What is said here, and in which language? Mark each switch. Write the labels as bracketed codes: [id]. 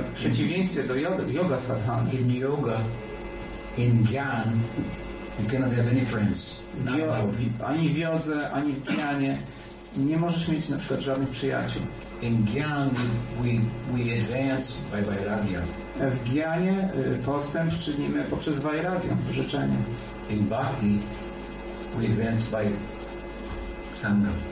[pl] W przeciwieństwie do yoga sadhana. [en] In yoga, in dhyan, you cannot have any friends. [pl] Ani w jodze, ani w dhyanie nie możesz mieć na przykład żadnych przyjaciół. [en] In dhyan, we advance by vairagya. [pl] W gyanie postęp czynimy poprzez vairagya, życzenie. [en] In bhakti, we advance by sangha.